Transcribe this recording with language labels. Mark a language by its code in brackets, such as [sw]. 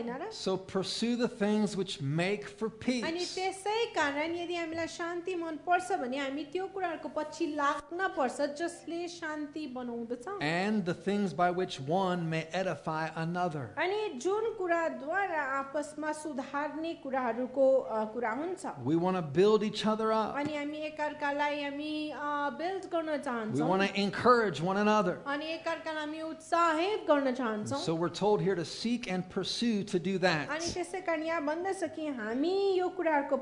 [en] So pursue the things which make for peace. [ne] त्यसै कारण यदि हामीलाई शान्ति मन पर्छ भने हामी त्यो कुराहरुको पछि लाग्न पर्छ जसले शान्ति बनाउँदछ [en] and the things by which one may edify another [ne] अनि जुन कुरा द्वारा आपसमा सुधार्ने कुराहरुको कुरा हुन्छ [en] we want to build each other up [ne] अनि हामी एकअर्कालाई हामी build गर्न चाहन्छौ [en] we want to encourage one another [ne] अनि एकअर्कालाई हामी उत्साहित गर्न चाहन्छौ [en] so we're told here to seek and pursue to do that [ne] अनि त्यसै कारण यहाँ भन्न सकि हामी यो कुरा